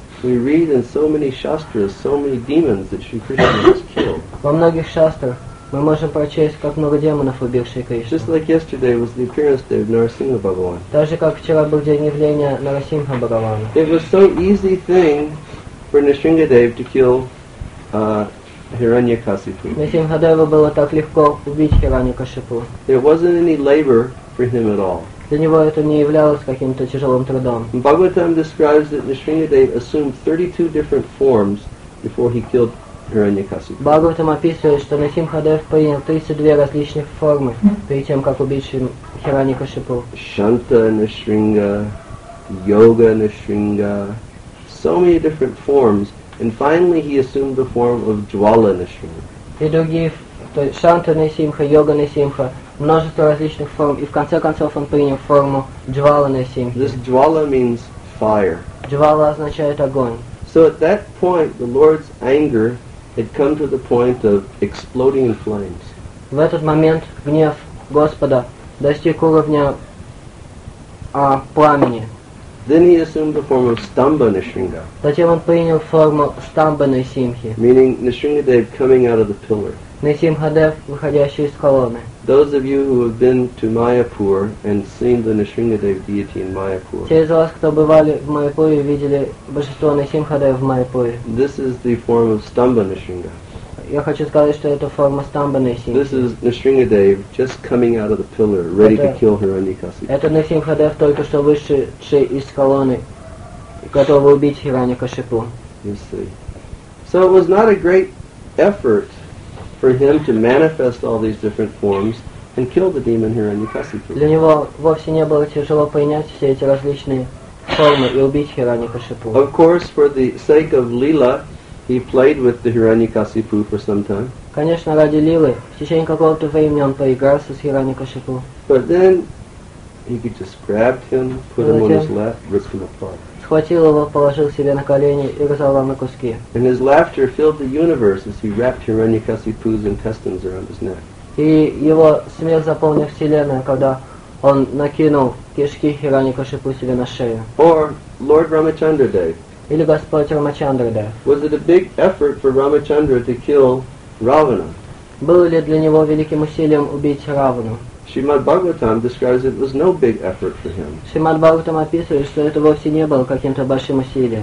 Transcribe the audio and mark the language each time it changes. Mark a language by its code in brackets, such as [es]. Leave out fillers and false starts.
[en] We read in so many shastras, so many demons that Shri Krishna has killed. [ru] Во многих шастрах мы можем прочесть, как много демонов убил Шри Кришна. [en] Just like yesterday was the appearance day of Narasimha Bhagavan. [ru] Так же, как вчера был день явления Нарасимха Бхагавана. [en] It was so easy thing for Нисингхадева to kill Хираньякасипу. [ru] Нисингхадеву было так легко убить Хираньякасипу. [en] There wasn't any labor for him at all. [ru] Для него это не являлось каким-то тяжелым трудом. [en] Bhagavatam describes that Нисингхадева assumed 32 different forms before he killed [ru] Бхагаватам описывает, что Нарасимхадев принял 32 различных формы перед тем, как убить Хираньякасипу. [en] Шанта Нисринга, Йога Нисринга, so many different forms, and finally he assumed the form of Джвала Нисринга. [ru] И другие, то есть Шанта Нисимха, Йога Нисимха, множество различных форм, и в конце концов он принял форму Джвала Нисимха. [en] This Джвала means fire. [ru] Джвала означает огонь. [en] So at that point, the Lord's anger had come to the point of exploding in flames. [ru] В этот момент гнев Господа достиг уровня пламени. [en] Then he assumed the form of Stamba Nisringa. [ru] Затем он принял форму Стамба Нисимхи. [en] Meaning Nisringadev coming out of the pillar. [ru] Нисимхадев, выходящий из колонны. [en] Those of you who have been to Mayapur and seen the Nisringadev deity in Mayapur. [ru] Те из вас, кто бывали в Майяпуре, видели божество Нисимхадев в Майяпуре. [en] This is the form of Stamba Nisringa. [ru] Я хочу сказать, что это форма Стамба Нисимхи. [en] This is Nisringadev just coming out of the pillar, ready to kill Hiranyakasipu. [ru] Это Нисимхадев, только что вышедший из колонны, готовый убить Хираньякасипу. [en] You see. So it was not a great effort for him to manifest all these different forms and kill the demon Hiranyakasipu. [ru] Для него вовсе не было тяжело принять все эти различные формы и убить Хираньякасипу. [en] Of course, for the sake of Lila, he played with the Hiranyakasipu for some time. [ru] Конечно, ради Лилы. В течение какого-то времени он поигрался с Хираньякасипу. [en] But then he could just grab him, put him on his lap, rip him apart. [ru] Схватил его, положил себе на колени и разорвал на куски. [en] And his laughter filled the universe as he wrapped Hiranyakasipu's intestines around his neck. [ru] И его смех заполнил вселенную, когда он накинул кишки Хираньякасипу себе на шею. [en] Or Lord Ramachandradev. [ru] Или Господь Рамачандрадев. [en] Was it a big effort for Ramachandra to kill Ravana? [ru] Было ли для него великим усилием убить Равану? [en] Srimad Bhagavatam describes it was no big effort for him. [ru] Srimad Bhagavatam описывает, что это вовсе не было каким-то большим усилием.